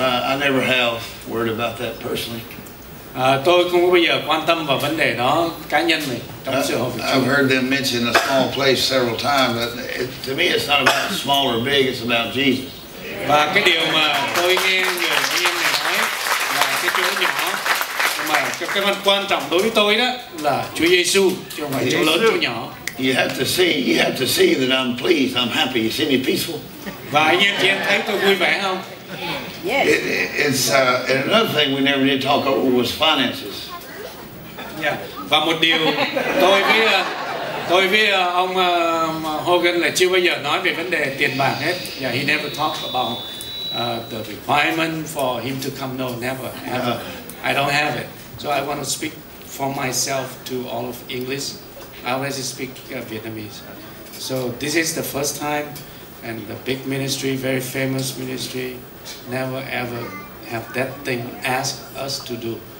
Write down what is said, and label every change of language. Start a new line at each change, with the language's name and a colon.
English: I never have worried about that personally.
Vietnamese: Tôi không có bao giờ quan tâm vào vấn đề đó cá nhân này trong sự hợp chung.
English: I've heard them mention a small place several times, but to me it's not about small or big, it's about Jesus.
Vietnamese: Và cái điều mà tôi nghe người anh em này nói là cái chỗ nhỏ, nhưng mà cái mặt quan trọng đối với tôi đó là Chúa Giêsu, chứ không phải chỗ lớn chỗ nhỏ.
English: You have to see that I'm pleased, I'm happy, you see me peaceful.
Vietnamese: Và anh em chị em thấy tôi vui vẻ không?
English: Yes. And another thing we never did talk over was finances. Yeah.
Vietnamese: Và một điều tôi với ông Hogan là chưa bao giờ nói về vấn đề tiền bạc hết.
English: Yeah, he never talked about the requirement for him to come. No, never, ever. I don't have it. So I want to speak for myself to all of English. I always speak Vietnamese. So this is the first time, and the big ministry, very famous ministry, never ever have that thing ask us to do.